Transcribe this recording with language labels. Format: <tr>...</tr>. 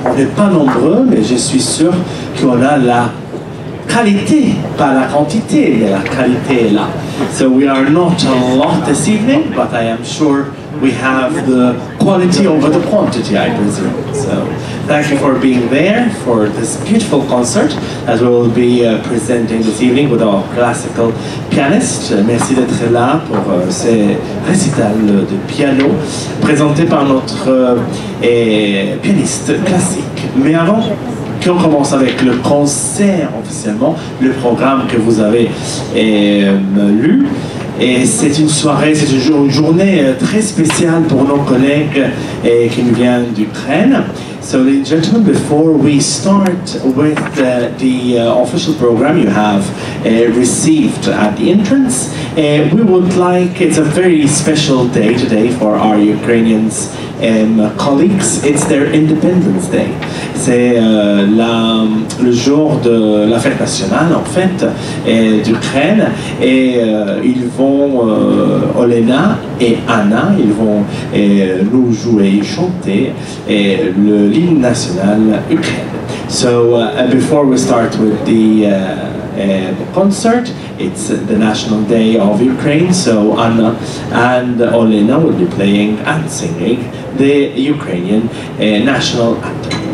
<fr>On n'est pas nombreux, mais je suis sûr qu'on a la qualité, pas la quantité, mais la qualité est là.</fr> <en>So we are not a lot this evening, but I am sure we have the quality over the quantity, I presume. So thank you for being there for this beautiful concert that we will be presenting this evening with our classical pianist.</en> <fr>Merci d'être là pour ce récital de piano présenté par notre pianiste classique. Mais avant qu'on commence avec le concert officiellement, le programme que vous avez lu. Et c'est une soirée, c'est une journée très spéciale pour nos collègues qui nous viennent d'Ukraine.</fr> <en>So, ladies and gentlemen, before we start with the official program you have received at the entrance, we would like, it's a very special day today for our Ukrainians colleagues, it's their Independence Day.</en> <fr>C'est le jour de la fête nationale, en fait, d'Ukraine. Et ils vont, Olena et Anna, ils vont nous jouer et chanter l'hymne national ukrainien.</fr> <en>So, before we start with the concert, it's the National Day of Ukraine, so Anna and Olena will be playing and singing the Ukrainian national anthem.</en>